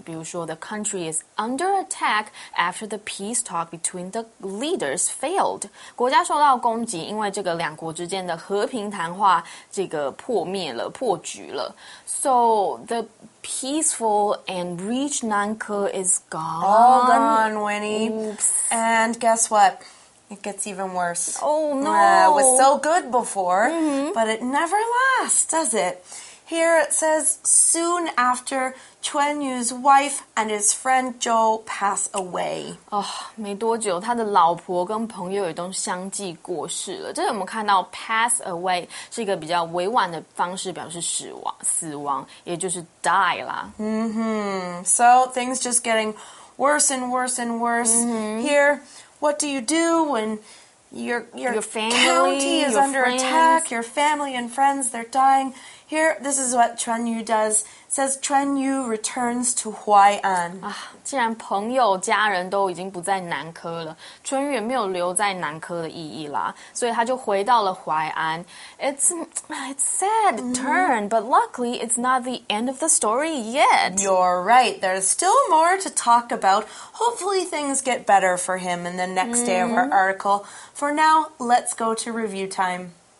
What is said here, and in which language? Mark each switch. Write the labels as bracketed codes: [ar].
[zh] 比如说 [en] ，The country is under attack after the peace talk between the leaders failed. [zh] 国家受到攻击，因为这个两国之间的和平谈话这个破灭了，破局了。 [en] So the peaceful and rich Nanke is gone. All gone, Winnie.、 Oops. And guess what? It gets even worse. Oh, no. It was so good before,、mm-hmm. but it never lasts, does it? Here it says, soon after, Chuan Yu's wife and his friend Zhou pass away. [zh] 没多久，他的老婆跟朋友也都相继过世了。这里我们看到 [en] pass away [zh] 是一个比较委婉的方式表示死亡，也就是 die 啦。 Mm-hmm. [en] So things just getting worse and worse and worse. Mm-hmm. Here, what do you do when your family, county is your under friends. attack? Your family and friends, they're dying. Here, this is what Chuan Yu does. It says, Chuan Yu returns to Huai'an. [zh] 既然朋友家人都已经不在南科了，春雨也没有留在南科的意义啦，所以他就回到了淮安。 [en] It's sad turn,、mm-hmm. but luckily it's not the end of the story yet. You're right, there's still more to talk about. Hopefully things get better for him in the next、mm-hmm. day of our article. For now, let's go to review time.